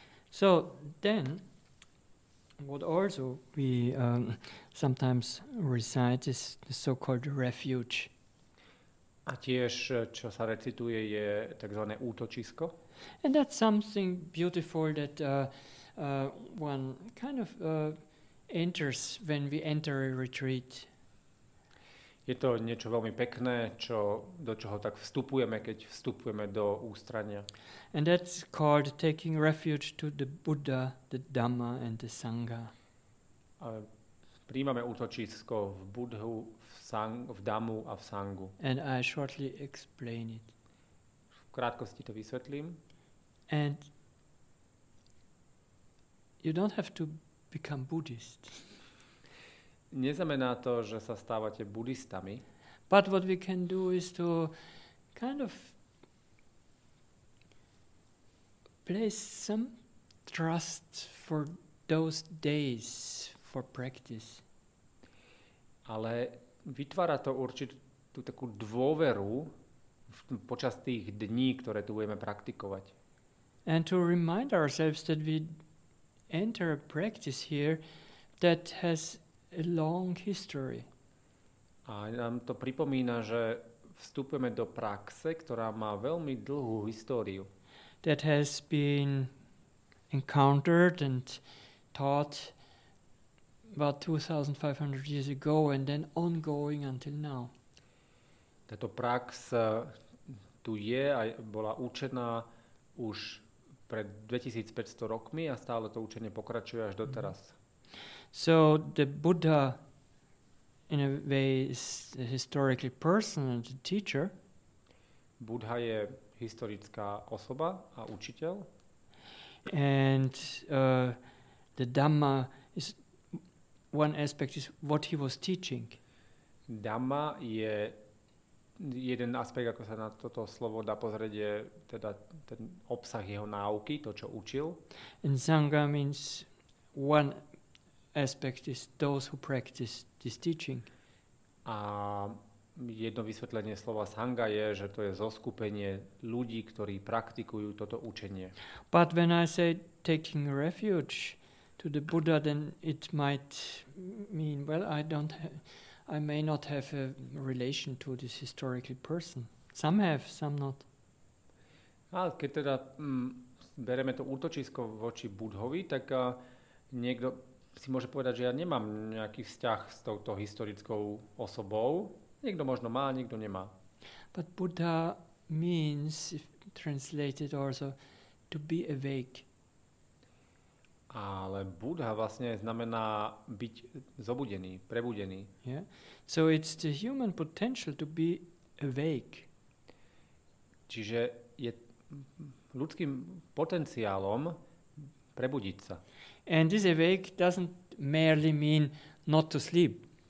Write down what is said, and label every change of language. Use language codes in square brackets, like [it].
[en] So then what also we sometimes recite is the so-called refuge. [sk] A tiež, čo sa recituje, je takzvané útočisko. [en] And that's something beautiful that one kind of enters when we enter a retreat. [sk] Je to niečo veľmi pekné, čo, do čoho tak vstupujeme, keď vstupujeme do ústrania. [en] And that's called taking refuge to the Buddha, the Dhamma and the Sangha. [sk] A prijímame útočisko v Buddhu, v Dhammu a v Sanghu. [en] And I shortly explain it. [sk] V krátkosti to vysvetlím. [en] And you don't have to become Buddhist. [sk] Neznamená to, že sa stávate buddhistami. [en] But what we can do is to kind of place some trust for those days for practice. [sk] Ale vytvára to určitú takú dôveru počas tých dní, ktoré tu budeme praktikovať. [en] And to remind ourselves that we enter a practice here that has a long history. [sk] A nám to pripomína, že vstupujeme do praxe, ktorá má veľmi dlhú históriu. [en] That has been encountered and taught about 2500 years ago and then ongoing until now. [sk] Táto prax tu je a bola učená už pred 2500 rokmi a stále to učenie pokračuje až doteraz. Mm-hmm. [en] So the Buddha, in a way, is a historical person and a teacher. [sk] Buddha je historická osoba a učiteľ. [en] And the Dhamma is one aspect is what he was teaching. [sk] Dhamma je jeden aspekt, ako sa na toto slovo dá pozrieť, je teda ten obsah jeho náuky, to, čo učil. [en] And Sangha means one aspect is those who practice this teaching. [sk] A jedno vysvetlenie slova sangha je, že to je zoskupenie ľudí, ktorí praktikujú toto učenie. [en] But when I say taking refuge to the Buddha, then it might mean, well, I may not have a relation to this historical person. Some have, some not. [sk] A keď teda bereme to útočisko voči Budhovi, tak niekto si môže povedať, že ja nemám nejaký vzťah s touto historickou osobou. Niekto možno má, niekto nemá. [en] But Buddha means, translated also, to be awake. [sk] Ale Buddha vlastne znamená byť zobudený, prebudený. [en] Yeah. So it's the human potential to be awake. [sk] Čiže je ľudským potenciálom prebudiť sa. [en] And this awake doesn't merely mean not to sleep.